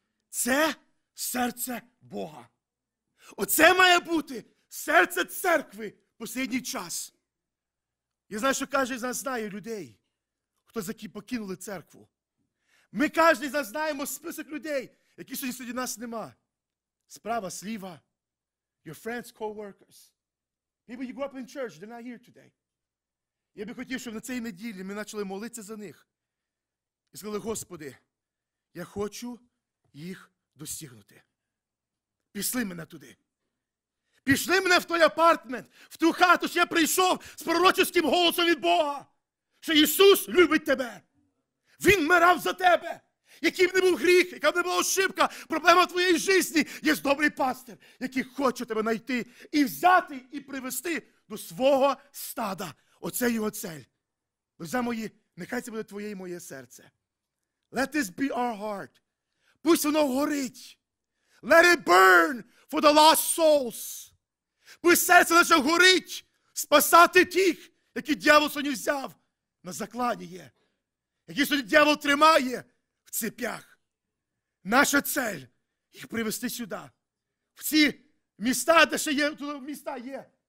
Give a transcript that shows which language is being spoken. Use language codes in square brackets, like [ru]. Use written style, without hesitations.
[uk] Це серце Бога. Оце має бути серце церкви в останній час. Я знаю, що кожен з нас знає людей, хто покинули церкву. Ми кожен з нас знаємо список людей, які сьогодні серед нас нема. Справа, сліва. [en] Your friends, co-workers. Maybe you grew up in church, they're not here today. [uk] Я би хотів, щоб на цій неділі ми почали молитися за них. І сказали, Господи, я хочу їх достигнути. Пішли мене туди. Пішли мене в той апартмент, в ту хату, що я прийшов з пророчеським голосом від Бога, що Ісус любить тебе. Він вмирав за тебе. Який б не був гріх, яка б не була ошибка, проблема твоєї житті, є добрий пастир, який хоче тебе знайти і взяти, і привести до свого стада. Оце його цель. Друзі мої, нехай це буде твоє і моє серце. [en] Let this be our heart. [uk] Пусть воно горить. [en] Let it burn for the lost souls. [uk] Пусть серце наше горить спасати тих, які дьявол сьогодні взяв на закладі є. Які сьогодні дьявол тримає в цепях. Наша цель – їх привести сюди. В ці міста, де ще є, туди міста є.